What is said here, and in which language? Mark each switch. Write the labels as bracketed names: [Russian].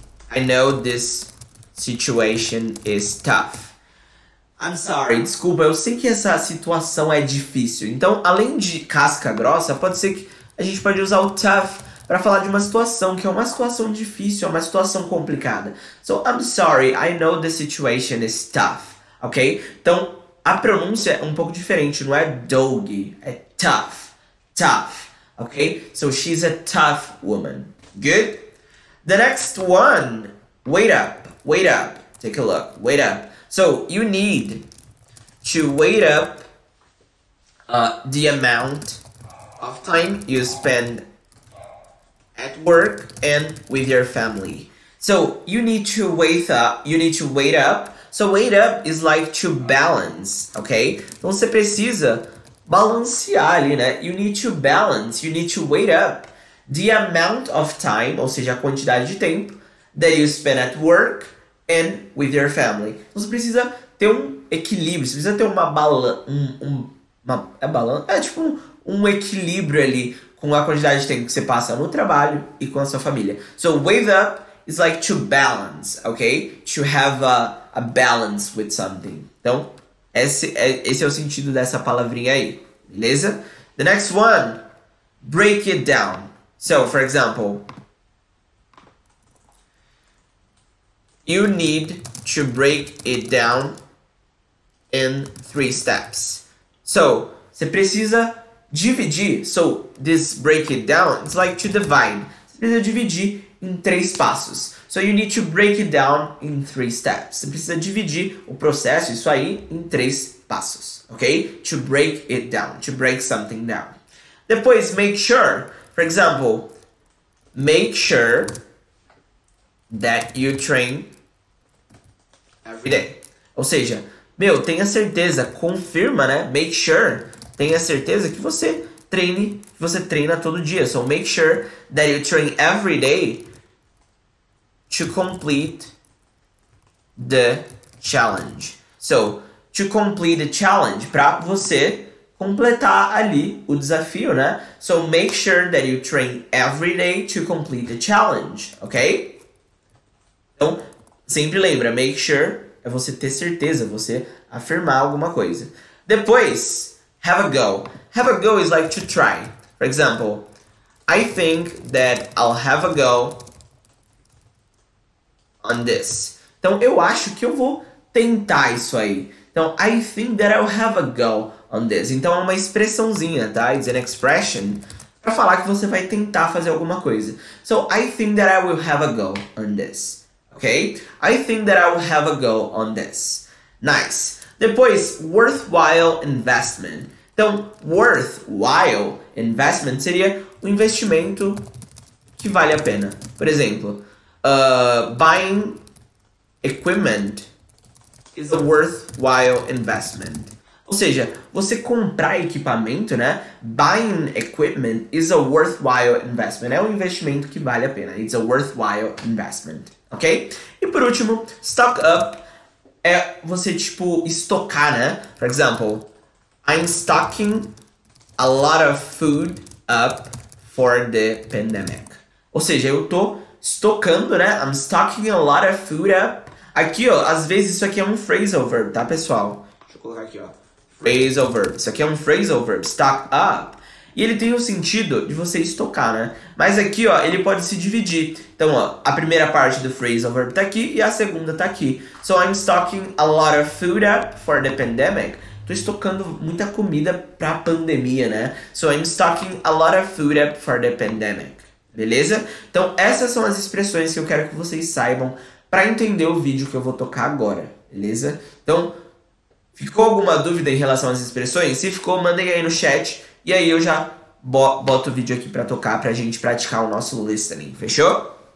[English] I know this situation is tough. I'm sorry, [Portuguese] desculpa, eu sei que essa situação é difícil. Então, além de casca grossa, pode ser que a gente pode usar o tough para falar de uma situação que é uma situação difícil, é uma situação complicada. [English] So, I'm sorry, I know the situation is tough. Ok? [Portuguese] Então, a pronúncia é um pouco diferente, não é dog, é tough. [English] Tough. Ok? So, she's a tough woman. Good? The next one, wait up, wait up. Take a look, wait up. So, you need to wait up the amount of time you spend at work and with your family. So, you need to wait up. So, wait up is like to balance, okay? [Portuguese] Então, você precisa balancear ali, né? [English] You need to balance, you need to wait up the amount of time, [Portuguese] ou seja, a quantidade de tempo [English] that you spend at work and with your family. [Portuguese] Então, você precisa ter um equilíbrio, você precisa ter uma bala, tipo um equilíbrio ali com a quantidade de tempo que você passa no trabalho e com a sua família. So, wait up is like to balance, ok? [English] To have a balance with something. [Portuguese] Então, esse é o sentido dessa palavrinha aí, beleza? [English] The next one, break it down. So, for example, you need to break it down in three steps. [Portuguese] So, você precisa dividir. [English] So, this break it down, it's like to divide. [Portuguese] Você precisa dividir em três passos. [English] So, you need to break it down in three steps. [Portuguese] Você precisa dividir o processo, isso aí, em três passos. [English] Ok? To break it down. To break something down. Depois, make sure. For example, make sure that you train every day. [Portuguese] Ou seja, meu, tenha certeza, confirma, né? Make sure, tenha certeza que você treina todo dia. [English] So make sure that you train every day to complete the challenge. [Portuguese] So, [English] to complete the challenge, [Portuguese] para você completar ali o desafio, né? [English] So make sure that you train every day to complete the challenge, ok? [Portuguese] Então, sempre lembra, make sure. É você ter certeza, você afirmar alguma coisa. [English] Depois, have a go. Have a go is like to try. For example, I think that I'll have a go on this. [Portuguese] Então, eu acho que eu vou tentar isso aí. [English] Então, I think that I'll have a go on this. [Portuguese] Então, é uma expressãozinha, tá? [English] It's an expression [Portuguese] para falar que você vai tentar fazer alguma coisa. [English] So, I think that I will have a go on this. Okay? I think that I will have a go on this. Nice. Depois, worthwhile investment. [Portuguese] Então, worth, while, investment seria um investimento que vale a pena. Por exemplo, [English] buying equipment is a [Portuguese] Exato. worthwhile investment. Ou seja, você comprar equipamento, né? [English] Buying equipment is a worthwhile investment. [Portuguese] É um investimento que vale a pena. [English] It's a worthwhile investment. Ok? [Portuguese] E por último, stock up é você, tipo, estocar, né? [English] For example, I'm stocking a lot of food up for the pandemic. [Portuguese] Ou seja, eu tô estocando, né? [English] I'm stocking a lot of food up. [Portuguese] Aqui, ó, às vezes isso aqui é um phrasal verb, tá, pessoal? Deixa eu colocar aqui, ó. Phrasal verb. Isso aqui é um phrasal verb, stock up. E ele tem o sentido de você estocar, né? Mas aqui, ó, ele pode se dividir. Então, ó, a primeira parte do phrasal verb tá aqui e a segunda tá aqui. [English] So I'm stocking a lot of food up for the pandemic. [Portuguese] Tô estocando muita comida pra pandemia, né? [English] So I'm stocking a lot of food up for the pandemic. [Portuguese] Beleza? Então, essas são as expressões que eu quero que vocês saibam para entender o vídeo que eu vou tocar agora, beleza? Então, ficou alguma dúvida em relação às expressões? Se ficou, mandem aí no chat e aí eu já boto o vídeo aqui para tocar pra gente praticar o nosso listening, fechou?